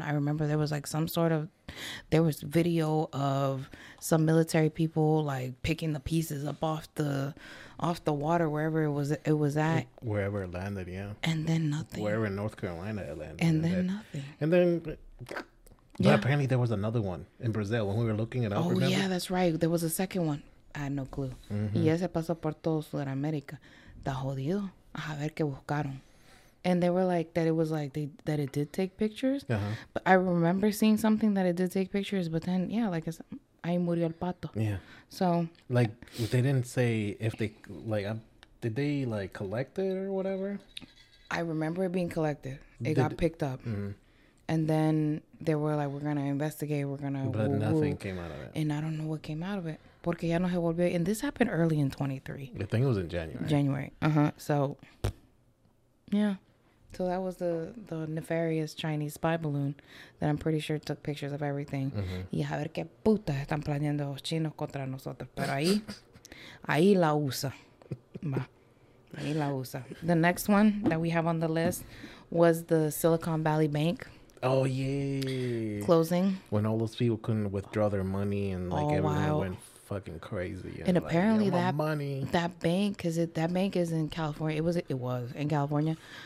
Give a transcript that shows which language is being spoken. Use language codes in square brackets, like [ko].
[en] I remember there was like some sort of, there was video of some military people like picking the pieces up off the water, wherever it was at. Wherever it landed, yeah. And then nothing. Wherever in North Carolina it landed. And then nothing. And then, but apparently there was another one in Brazil when we were looking it up. Oh, remember? Yeah, that's right. There was a second one. I had no clue. [es] Mm-hmm. Y ese pasó por todo Sudamérica. Está jodido. A ver qué buscaron. [en] And they were like, that it was like, that it did take pictures. Uh-huh. But I remember seeing something that it did take pictures. But then, yeah, like I said, [es] ahí murió el pato. [en] Yeah. So. Like, they didn't say if they, like, did they, like, collect it or whatever? I remember it being collected. It got picked up. Mm-hmm. And then they were like, we're going to investigate. We're going to. But nothing came out of it. And I don't know what came out of it. [es] Porque ya no se volvió. [en] And this happened early in 23. I think it was in January. January. Uh-huh. So. Yeah. So that was the nefarious Chinese spy balloon that I'm pretty sure took pictures of everything. Mm-hmm. [es] Y a ver qué puta están planeando los chinos contra nosotros. Pero ahí la usa. Va. Ahí la usa. [en] The next one that we have on the list was the Silicon Valley Bank. Oh, yay. Closing. When all those people couldn't withdraw their money and like everyone went fucking crazy, and apparently like, that money, that bank, because that bank is in California. It was in California.